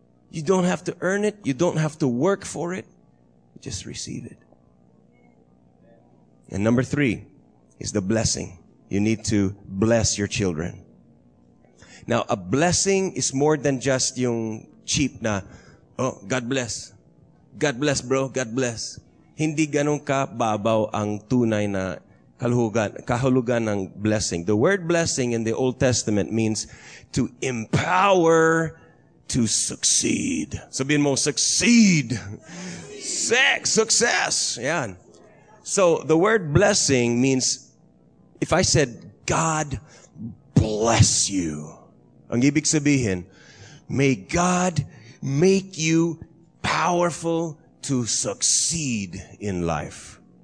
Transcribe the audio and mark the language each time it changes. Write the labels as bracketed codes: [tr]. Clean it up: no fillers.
[en] You don't have to earn it. You don't have to work for it. You just receive it. And number three is the blessing. You need to bless your children. Now, a blessing is more than just yung cheap na, oh, God bless. God bless, bro. God bless. [tl] Hindi ganun ka babaw ang tunay na kahulugan ng blessing. [en] The word blessing in the Old Testament means to empower to succeed. [tl] Sabihin mo, succeed. Sex, success. Yan. [en] So, the word blessing means, if I said, God bless you, [tl] ang ibig sabihin, [en] may God make you powerful to succeed in life.